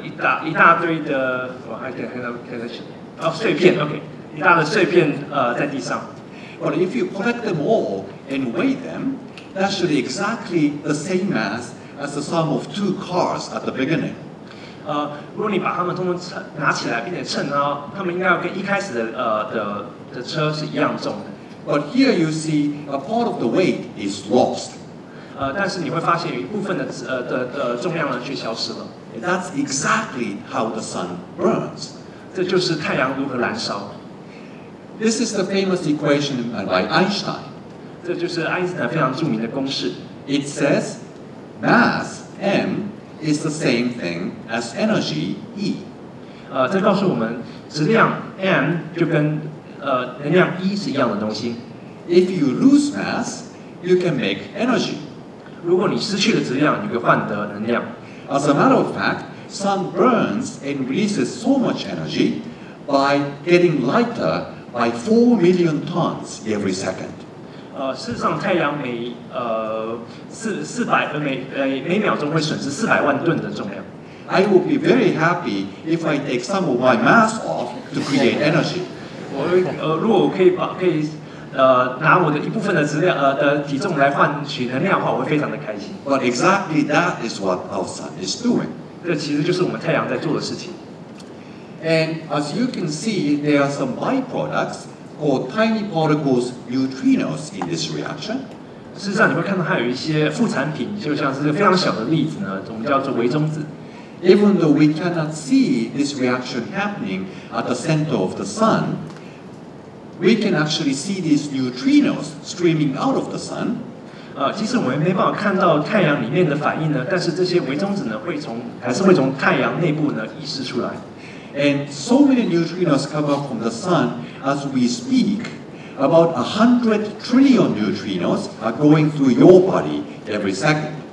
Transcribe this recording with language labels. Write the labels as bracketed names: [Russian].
[Chinese] 一大堆的，我还可以看到碎片 ，OK， 一大的碎片在地上。 [English] But if you collect them all and weigh them, that should be exactly the same mass as the sum of two cars at the beginning. [Chinese] 如果你把它们通通拿起来并且称啊，它们应该要跟一开始的车是一样重的。 [English] But here you see a part of the weight is lost. [Chinese] 但是你会发现有一部分的重量呢却消失了。 [English] That's exactly how the sun burns. [Chinese] 这就是太阳如何燃烧。 [English] This is the famous equation by Einstein. [Chinese] 这就是爱因斯坦非常著名的公式。 [English] It says mass m. Is the same thing as energy E. [Chinese] 这告诉我们质量 m 就跟能量 E 是一样的东西。 [English] If you lose mass, you can make energy. [Chinese] 如果你失去了质量，你可以换得能量。 [English] As a matter of fact, sun burns and releases so much energy by getting lighter by 4 million tons every second. [Chinese] 事实上，太阳每秒钟会损失400万吨的重量。 [English] I would be very happy if I take some of my mass off to create energy. [Chinese] 如果我可以拿我的一部分的质量的体重来换取能量的话，我会非常的开心。 [English] But exactly that is what our sun is doing. [Chinese] 这其实就是我们太阳在做的事情。 [English] And as you can see, there are some byproducts. Called tiny particles neutrinos in this reaction. [Chinese] 事实上，你会看到它有一些副产品，就像是非常小的粒子呢，我们叫做微中子。 [English] Even though we cannot see this reaction happening at the center of the sun, we can actually see these neutrinos streaming out of the sun. [Chinese] 即使我们没办法看到太阳里面的反应呢，但是这些微中子呢，会从太阳内部呢溢释出来。 [English] And so many neutrinos come up from the sun as we speak. About 100 trillion neutrinos are going through your body every second.